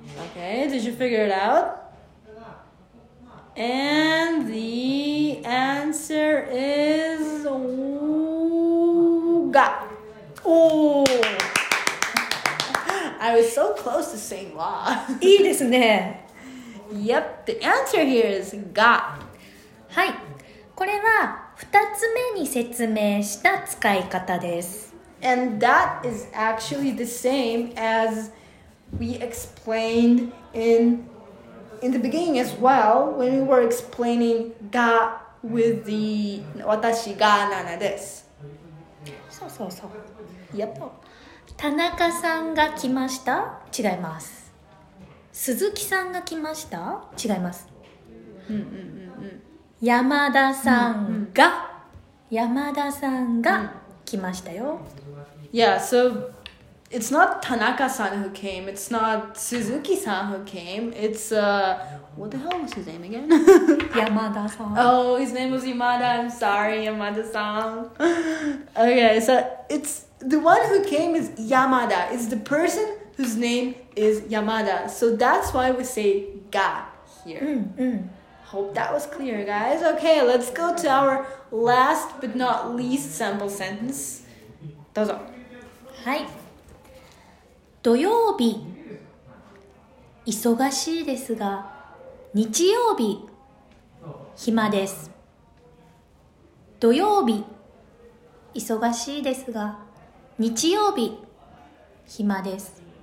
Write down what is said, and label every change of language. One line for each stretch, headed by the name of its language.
English: Okay, did you figure it out? And the answer is ga. Oh, I was so close to saying wa.
Japanese: いいですね。
English: Yep, the answer here is ga.
Japanese: はい、これは二つ目に説明した使い方です。
English: And that is actually the same as we explained in the beginning as well, when we were explaining ga with the
Japanese: 私がナナです。そうそうそう。
English: Yep.
Japanese: 田中さんが来ました?違います。鈴木さんが来ました?違います。山田さんが、山田さんが来ましたよ。
English: Yeah, so... It's not Tanaka-san who came, it's not Suzuki-san who came, it's, what the hell was his name again? Yamada-san. Oh, his name was Yamada, I'm sorry, Yamada-san. Okay, so it's, the one who came is Yamada, it's the person whose name is Yamada. So that's why we say ga here. Hope that was clear, guys. Okay, let's go to our last but not least sample sentence.
Japanese: どうぞ。はい。土曜日忙しいですが、日曜日暇です。土曜日忙しいですが、日曜日暇です。